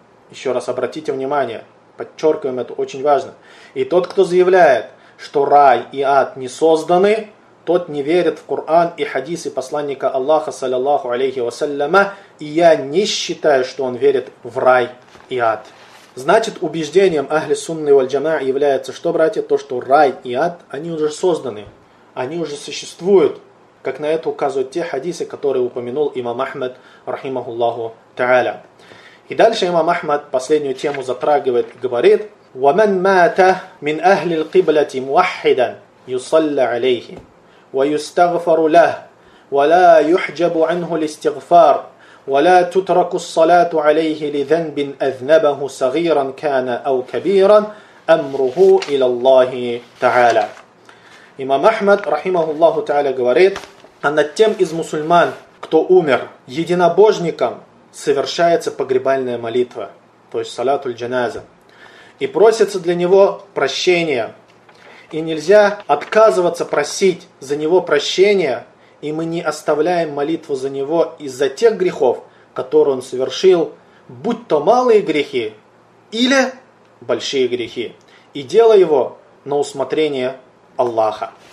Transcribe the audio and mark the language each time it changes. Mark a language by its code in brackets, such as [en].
[ru] еще раз обратите внимание, подчеркиваем это очень важно, и тот, кто заявляет, что рай и ад не созданы, тот не верит в Коран и хадисы посланника Аллаха, саллиллаху алейхи вассаляма, и я не считаю, что он верит в рай и ад. Значит, убеждением Ахли Сунны валь Джамаа является что, братья? То, что рай и ад, они уже созданы, они уже существуют, как на это указывают те хадисы, которые упомянул имам Ахмад, рахимахуллаху тааля. [ar] И дальше имам Ахмад последнюю тему затрагивает и говорит: وَمَنْ مَاتَ مِنْ أَهْلِ الْقِبْلَةِ مُوَحِّدًا يُصَلَّ عَلَيْهِ وَيُسْتَغْفَرُ لَهُ وَلَا يُحْجَبُ عَنْهُ الْإِسْتِغْفَارُ وَلَا تُتْرَكُ الصَّلَاةُ عَلَيْهِ لِذَنْبٍ أَذْنَبَهُ صَغِيرًا كَانَ أَوْ كَبِيرًا أَمْرُهُ إِلَى اللَّهِ تَعَالَى. [ru] Имам Ахмад, рахимахуллаху та'аля, говорит, а над тем из мусульман, кто умер единобожником, совершается погребальная молитва, то есть салатуль джаназа, и просится для него прощения. И нельзя отказываться просить за него прощения, и мы не оставляем молитву за него из-за тех грехов, которые он совершил, будь то малые грехи или большие грехи, и дело его на усмотрение Аллаха.